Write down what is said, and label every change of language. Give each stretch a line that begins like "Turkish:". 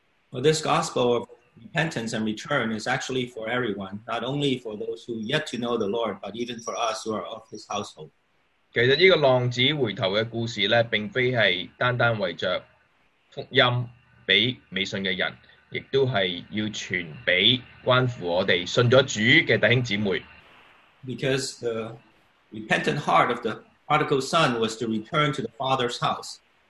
English: Well, this gospel of repentance and return is actually for everyone, not only for those who yet to know the Lord, but even for us who are of his household.
Chinese: 其實這個浪子回頭的故事並非是單單為著福音給未信的人。亦都是要傳給關乎我們信了主的弟兄姊妹。
English: Because the repentant heart of the prodigal son was to return to the father's house.